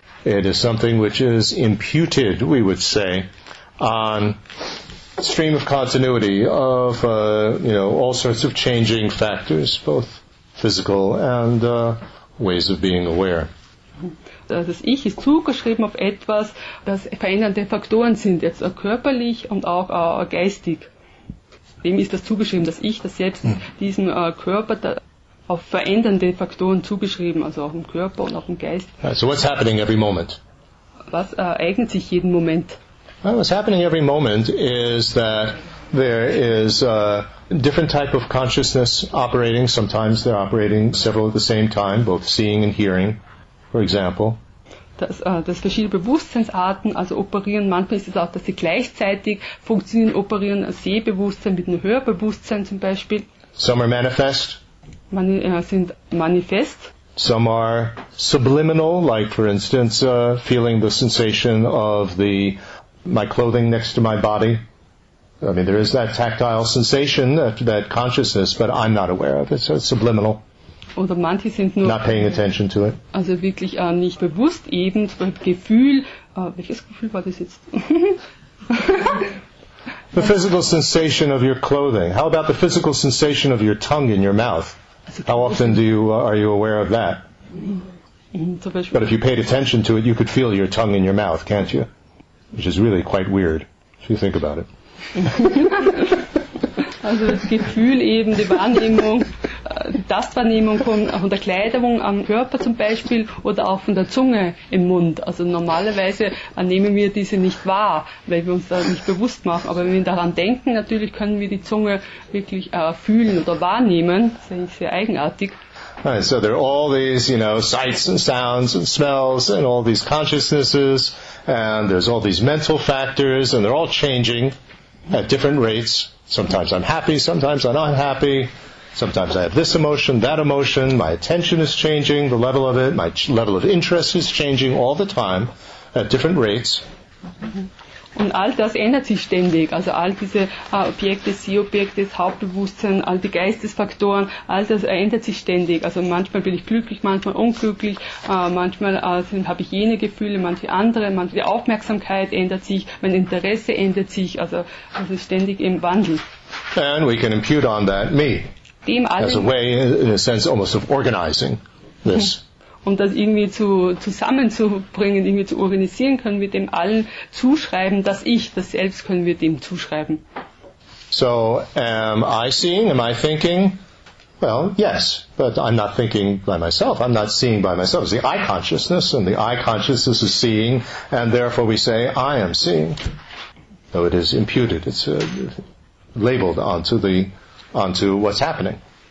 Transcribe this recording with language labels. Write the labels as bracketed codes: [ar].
[en] It is something which is imputed, we would say, on stream of continuity of all sorts of changing factors, both physical and ways of being aware. [de] Das Ich ist zugeschrieben auf etwas, das verändernde Faktoren sind, jetzt körperlich und auch geistig. Wem ist das zugeschrieben, das Ich, das Selbst, diesem Körper auf verändernde Faktoren zugeschrieben, also auch im Körper und auch im Geist. [en] So what's happening every moment? [de] Was ereignet sich jeden Moment? [en] Well, what's happening every moment is that there is a different type of consciousness operating. Sometimes they're operating several at the same time, both seeing and hearing, for example. [de] Dass verschiedene Bewusstseinsarten also operieren. Manchmal ist es auch, dass sie gleichzeitig funktionieren, operieren, ein Sehbewusstsein mit einem Hörbewusstsein zum Beispiel. [en] Some are manifest. [de] Sind manifest. [en] Some are subliminal, like for instance, feeling the sensation of my clothing next to my body. I mean, there is that tactile sensation, that consciousness, but I'm not aware of it, so it's subliminal. [de] Oder manche sind nur [en] not paying attention to it. [de] Also wirklich nicht bewusst eben, zum Beispiel Gefühl, welches Gefühl war das jetzt? [en] The physical sensation of your clothing. How about the physical sensation of your tongue in your mouth? How often are you aware of that? [de] Zum Beispiel. [en] But if you paid attention to it, you could feel your tongue in your mouth, can't you? Which is really quite weird, if you think about it. [de] Also das Gefühl eben, die Wahrnehmung, die Tastwahrnehmung von der Kleidung am Körper zum Beispiel oder auch von der Zunge im Mund. Also normalerweise nehmen wir diese nicht wahr, weil wir uns da nicht bewusst machen. Aber wenn wir daran denken, natürlich können wir die Zunge wirklich fühlen oder wahrnehmen. Das ist eigentlich sehr eigenartig. [en] Right, so there are all these, sights and sounds and smells and all these consciousnesses. And there's all these mental factors, and they're all changing at different rates. Sometimes I'm happy, sometimes I'm unhappy. Sometimes I have this emotion, that emotion. My attention is changing, the level of it. My level of interest is changing all the time at different rates. [de] Und all das ändert sich ständig. Also all diese Objekte, Sehobjekte, das Hauptbewusstsein, all die Geistesfaktoren, all das ändert sich ständig. Also manchmal bin ich glücklich, manchmal unglücklich, manchmal habe ich jene Gefühle, manche andere, manchmal die Aufmerksamkeit ändert sich, mein Interesse ändert sich, also ständig im Wandel. [en] And we can impute on that me. [de] Dem allen. [en] As a way, in a sense, almost of organizing this. [de] Um das irgendwie zusammenzubringen, irgendwie zu organisieren, können wir dem allen zuschreiben, das Ich, das Selbst können wir dem zuschreiben. [en] So, am I seeing, am I thinking? Well, yes, but I'm not thinking by myself, I'm not seeing by myself. It's the I consciousness, and the I consciousness is seeing, and therefore we say, I am seeing. So it is imputed, it's labeled onto what's happening.